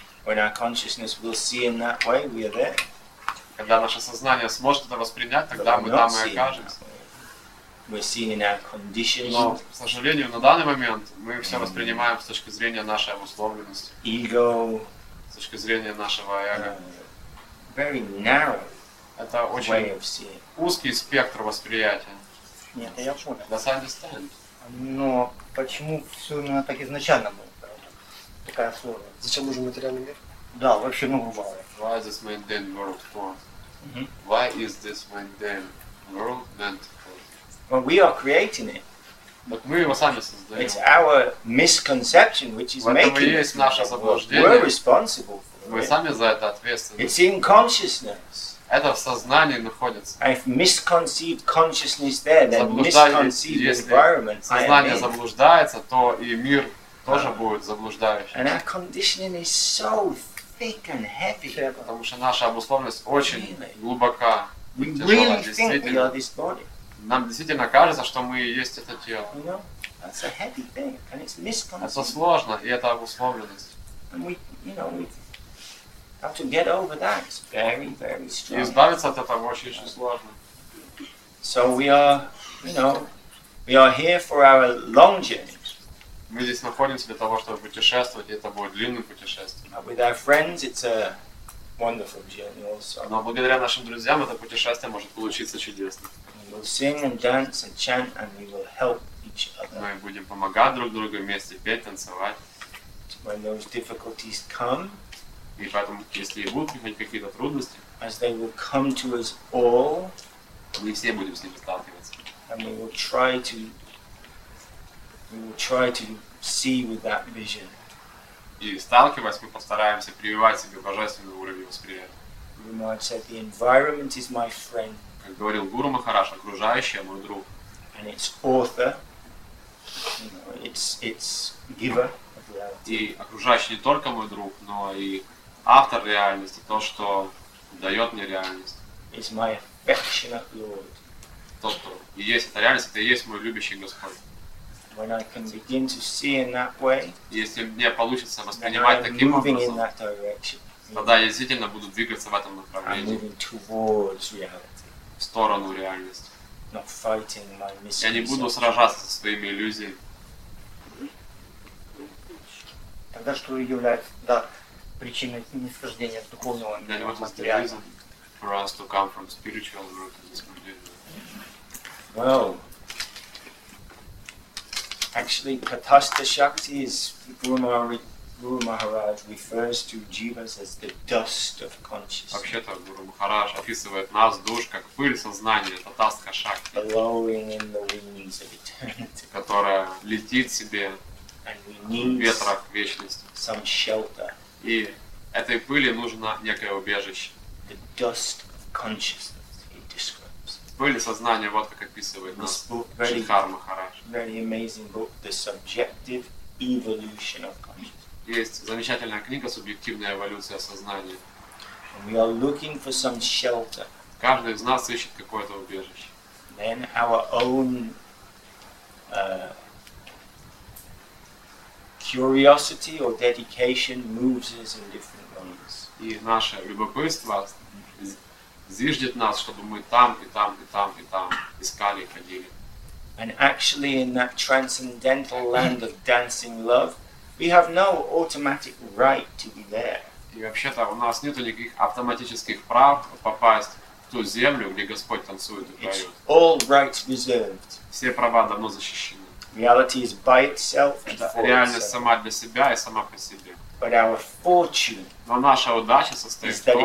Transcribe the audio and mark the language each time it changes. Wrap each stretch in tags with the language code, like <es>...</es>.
<en>When our consciousness will see in that way, we are there.</en> <ru>Когда наше сознание сможет это воспринять, тогда мы там и окажемся. Но, к сожалению, на данный момент мы все воспринимаем с точки зрения нашей обусловленности.</ru> <en>Ego.</en> <ru>С точки зрения нашего эго.</ru> <en>Very narrow.</en> <ru>Это очень узкий спектр восприятия. Нет, я понял.</ru> <en>That's understand.</en> <ru>Но почему все именно так изначально было? Такая сложность. Зачем нужен материальный мир? Да, вообще, ну, грубо говоря.</ru> <en>Why is this mundane world for? Mm-hmm. Why is this mundane world meant for? Well, we are creating it.</en> <ru>But мы его сами создаем.</ru> <en>It's our misconception which is making it.</en> <ru>Это есть наше заблуждение.</ru> <en>We're responsible for</en> <ru>мы Мы сами за это ответственны.</ru> <en>It's in consciousness.</en> <ru>Это в сознании находится.</ru> <en>If misconceived consciousness there, then misconceived environment.</en> <ru>Если сознание заблуждается, то и мир тоже будет заблуждающим.</ru> <en>And our conditioning is so thick and heavy.</en> <ru>Потому что наша обусловленность очень глубока.</ru> <en>We really think we are this body.</en> <ru>Нам действительно кажется, что мы и есть это тело.</ru> <en>You know, that's a heavy thing, and it's misconceived.</en> <ru>Это сложно, и это обусловленность.</ru> <en>And we, you know, we have to get over that. It's very, very strong.</en> <ru>И избавиться от этого очень сложно.</ru> <en>So we are, you know, we are here for our long journey.</en> <ru>Мы здесь находимся для того, чтобы путешествовать, и это будет длинным путешествием.</ru> <en>With our friends, it's a wonderful journey also.</en> <ru>Но благодаря нашим друзьям это путешествие может получиться чудесным.</ru> <en>We will sing and dance and chant, and we will help each other.</en> <ru>Мы будем помогать друг другу вместе петь, танцевать.</ru> <en>When those difficulties come,</en> <ru>и потом, если и будут приходить какие-то трудности,</ru> <en>as they will come to us all,</en> <ru>мы все будем с ними сталкиваться.</ru> <en>And we will try to. We will try to see with that vision.</en> <ru>И сталкиваясь, мы постараемся прививать себе божественный уровень восприятия.</ru> <en>Guru Maharaj said, "The environment is my friend."</en> <ru>Как говорил Гуру Махарадж, окружающее мой друг.</ru> <en>And its author, you know, its giver of reality.</en> <ru>И окружающий не только мой друг, но и автор реальности, то, что дает мне реальность.</ru> <en>It's my affectionate Lord.</en> <ru>То, что и есть эта реальность, это и есть мой любящий Господь.</ru> <en>When I can begin to see in that way,</en> <ru>если мне получится воспринимать таким образом,</ru> <en>in that direction,</en> <ru>тогда я действительно буду двигаться в этом направлении, в сторону реальности.</ru> <en>Not fighting my misconceptions.</en> <ru>Я не буду сражаться со своими иллюзиями. Тогда что является причиной нисхождения от духовного материала?</ru> <en>For us to come from spiritual route in this material. Well. Actually, Katastha Shakti is Guru Maharaj Guru Maharaj refers to jivas as the dust of consciousness.</en> <ru>Вообще-то Гуру Махарадж описывает нас, душ, как пыль сознания, это таска шакти,</ru> <en>blowing in the wings of eternity,</en> <ru>которая летит себе в ветрах вечности.</ru> <en>Some shelter.</en> <ru>И этой пыли нужно некое убежище.</ru> <en>The dust of consciousness, he describes.</en> <ru>Пыль сознания, вот как описывает нас Шридхар Махарадж.</ru> <en>Very amazing book, The Subjective Evolution of Consciousness.</en> <ru>Есть замечательная книга «Субъективная эволюция сознания».</ru> <en>We are looking for some shelter.</en> <ru>Каждый из нас ищет какое-то убежище.</ru> <en>Then our own curiosity or dedication moves us in different ways.</en> <ru>И наше любопытство зиждет нас, чтобы мы там и там и там и там искали и ходили.</ru> <en>And actually, in that transcendental land of dancing love, we have no automatic right to be there.</en> <ru>И вообще-то у нас нет никаких автоматических прав попасть в ту землю, где Господь танцует и поет.</ru> <en>All rights reserved.</en> <ru>Все права давно защищены.</ru> <en>Reality is by itself and for itself.</en> <ru>Реальность сама для себя и сама по себе.</ru> <en>But our fortune.</en> <ru>Но наша удача состоит в том,</ru>